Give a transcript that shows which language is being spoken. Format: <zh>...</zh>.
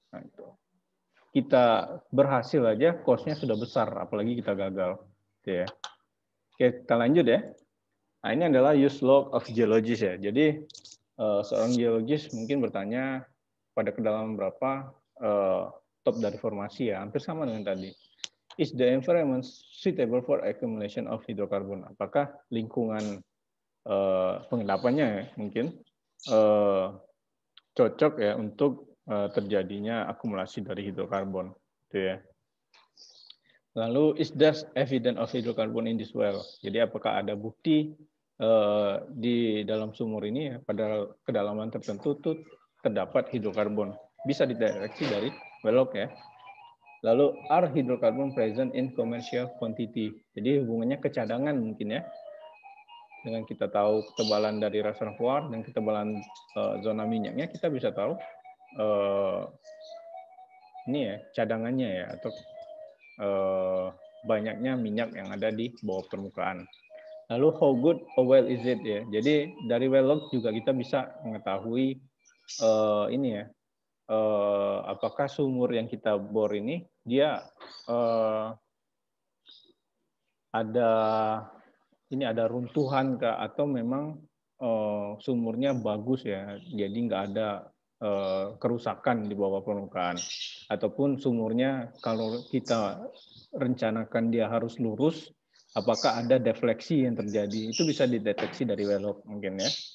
<id>Nah, itu. Kita berhasil aja cost-nya sudah besar, apalagi kita gagal. Gitu ya. Oke, kita lanjut ya. Nah, ini adalah use log of geologist ya. Jadi seorang geologist mungkin bertanya pada kedalaman berapa top dari formasi ya, hampir sama dengan tadi.</id> <en>Is the environment suitable for accumulation of hydrocarbon?</en> <id>Apakah lingkungan pengendapannya ya, mungkin cocok ya untuk terjadinya akumulasi dari hidrokarbon itu ya. Lalu</id> <en>is there evidence of hidrokarbon in this well?</en> <id>Jadi apakah ada bukti di dalam sumur ini ya, pada kedalaman tertentu itu terdapat hidrokarbon? Bisa dideteksi dari well log ya. Lalu</id> <en>are hidrokarbon present in commercial quantity?</en> <id>Jadi hubungannya ke cadangan mungkin ya. Dengan kita tahu ketebalan dari reservoir dan ketebalan zona minyaknya, kita bisa tahu ini ya cadangannya ya atau banyaknya minyak yang ada di bawah permukaan. Lalu</id> <en>how good a well is it ya?</en> <id>Jadi dari well log juga kita bisa mengetahui ini ya apakah sumur yang kita bor ini dia ada ini ada runtuhan kah atau memang sumurnya bagus ya, jadi nggak ada kerusakan di bawah permukaan ataupun sumurnya kalau kita rencanakan dia harus lurus, apakah ada defleksi yang terjadi, itu bisa dideteksi dari well log mungkin ya.</id>